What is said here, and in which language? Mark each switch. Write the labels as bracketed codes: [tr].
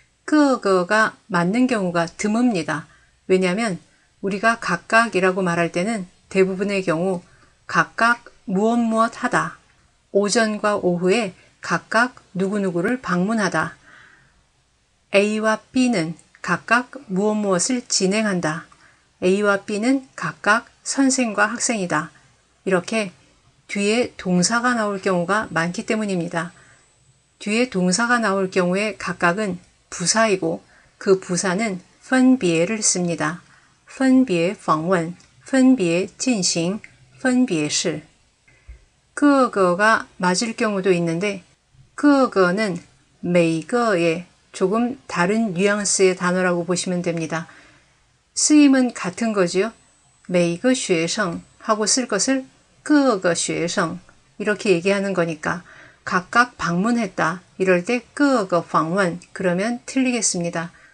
[ko] 끄어거가 맞는 경우가 드뭅니다. 왜냐하면 우리가 각각이라고 말할 때는 대부분의 경우 각각 무엇무엇하다, 오전과 오후에 각각 누구누구를 방문하다, A와 B는 각각 무엇무엇을 진행한다, A와 B는 각각 선생과 학생이다. 이렇게 뒤에 동사가 나올 경우가 많기 때문입니다. 뒤에 동사가 나올 경우에 각각은 부사이고 그 부사는 分别를 씁니다. [zh] 分别访问, 分别进行, 分别是. [ko] 各个가 맞을 경우도 있는데 各个는 每个의 조금 다른 뉘앙스의 단어라고 보시면 됩니다. 쓰임은 같은 거지요. [zh] 每个学生 [ko] 하고 쓸 것을 [zh] 各个学生 [ko] 이렇게 얘기하는 거니까 각각 방문했다 이럴 때 [zh] 各个访问 [ko] 그러면 틀리겠습니다.